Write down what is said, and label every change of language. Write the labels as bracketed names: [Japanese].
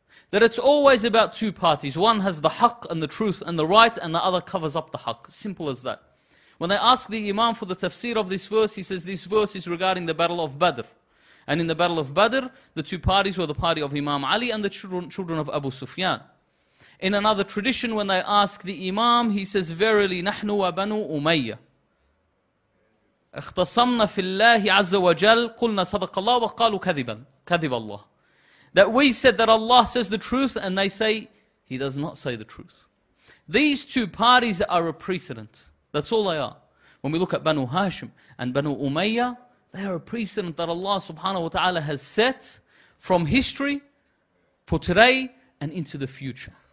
[English] That it's always about two parties. One has the haqq and the truth and the right, and the other covers up the haqq. Simple as that. When they ask the imam for the tafsir of this verse, he says this verse is regarding the battle of Badr. And in the battle of Badr, the two parties were the party of Imam Ali and the children of Abu Sufyan. In another tradition, when they ask the imam, he says, verily, [Arabic] نحن وبنو أمية اختصمنا في الله عز وجل قلنا صدق الله وقالوا كذبا كذب الله. [English] That we said that Allah says the truth, and they say He does not say the truth. These two parties are a precedent. That's all they are. When we look at Banu Hashim and Banu Umayya, they are a precedent that Allah subhanahu wa ta'ala has set from history for today and into the future.